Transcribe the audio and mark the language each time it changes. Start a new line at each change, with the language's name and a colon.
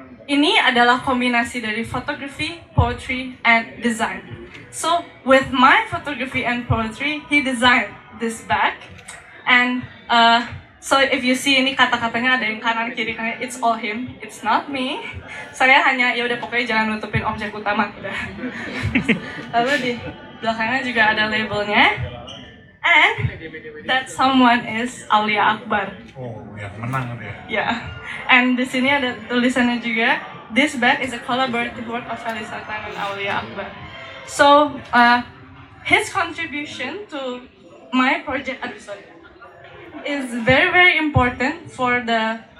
Indonesian: Ini adalah kombinasi dari
English: photography, poetry, and design. So with my photography and poetry, he designed this bag, and so if you see
Indonesian: ini kata-katanya ada yang kanan kiri kanan,
English: it's all him, it's not me.
Indonesian: Saya hanya ya udah pokoknya jangan nutupin objek utama udah. Lalu di belakangnya juga ada labelnya.
English: And that someone is Aulia Akbar.
Indonesian: Oh ya, menang dia.
English: Ya. Yeah. And
Indonesian: di sini ada tulisannya juga,
English: this bag is a collaborative work of Felisa Tan and Aulia Akbar. So his contribution to my project is very, very important for the